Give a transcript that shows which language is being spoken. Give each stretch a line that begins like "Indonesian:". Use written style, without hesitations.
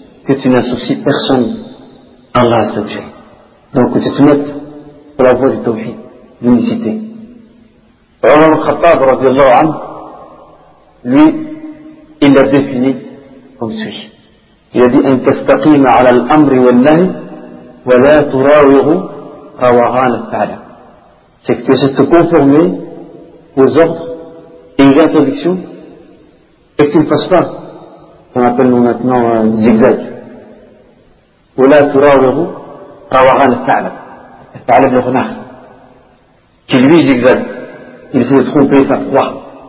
French: Que tu n'associes personne à Allah subhanahu. Donc que tu te mettes pour la voie du tawhid, l'unicité. Omar al-Khattab, radiallahu anhu, lui, il l'a défini comme suit. Il a dit
Arabic: أن تستقيم على الأمر والنهي ولا تراوغ روغان الفعل.
French: C'est que tu essaies de te conformer aux ordres et aux interdictions et que tu ne fasses pas ce qu'on appelle nous maintenant zigzag.
Arabic: ولا تراوغ روغان الفعل.
French: الفعل de renard. Qui lui zigzag. Il essaie de tromper sa proie.